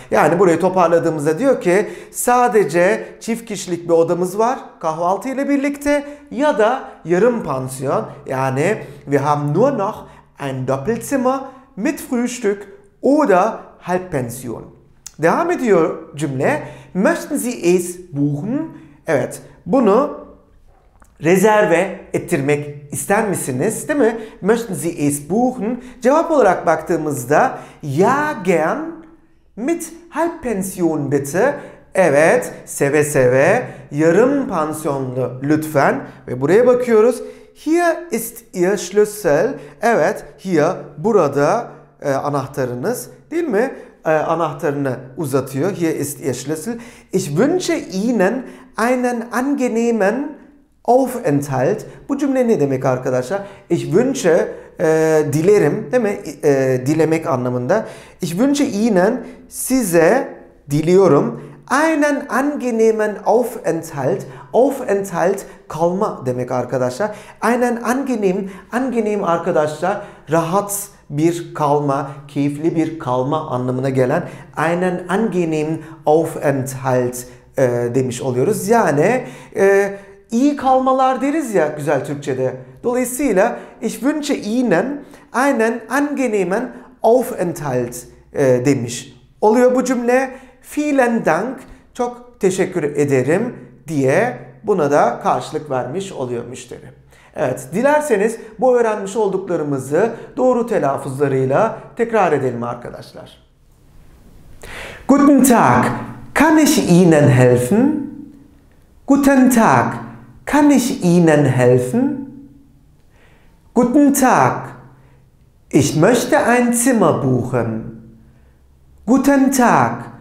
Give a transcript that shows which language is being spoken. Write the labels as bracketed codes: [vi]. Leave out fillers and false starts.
[tr] Yani burayı toparladığımızda diyor ki sadece çift kişilik bir odamız var kahvaltı ile birlikte ya da yarım pansiyon. Yani [de] wir haben nur noch ein Doppelzimmer mit Frühstück oder halb Pension. [tr] Devam ediyor cümle. [de] Möchten Sie es buchen? [tr] Evet, bunu rezerve ettirmek ister misiniz? Değil mi? [de] Möchten Sie es buchen? [tr] Cevap olarak baktığımızda [de] ja gern mit halb Pension bitte. [tr] Evet, seve seve, yarım pansiyonlu lütfen. Ve buraya bakıyoruz. [de] Hier ist Ihr Schlüssel. [tr] Evet, [de] hier, [tr] burada anahtarınız, değil mi? Anahtarını uzatıyor. [de] Hier ist Ihr Schlüssel. Ich wünsche Ihnen einen angenehmen Aufenthalt. [tr] Bu cümle ne demek arkadaşlar? [de] Ich wünsche, [tr] dilerim, değil mi? Dilemek anlamında. [de] Ich wünsche Ihnen, [tr] size diliyorum, [de] einen angenehmen Aufenthalt. [tr] Aufenthalt, kalma demek arkadaşlar. [de] Einen angenehm, angenehm [tr] arkadaşlar, rahat bir kalma, keyifli bir kalma anlamına gelen [de] einen angenehm Aufenthalt [tr] demiş oluyoruz. Yani İyi kalmalar deriz ya güzel Türkçe'de. Dolayısıyla [de] ich wünsche Ihnen einen angenehmen Aufenthalt [tr] demiş oluyor bu cümle. [de] Vielen Dank, [tr] çok teşekkür ederim diye buna da karşılık vermiş oluyor müşteri. Evet, dilerseniz bu öğrenmiş olduklarımızı doğru telaffuzlarıyla tekrar edelim arkadaşlar. [de] Guten Tag, kann ich Ihnen helfen? Guten Tag. Kann ich Ihnen helfen? Guten Tag. Ich möchte ein Zimmer buchen. Guten Tag.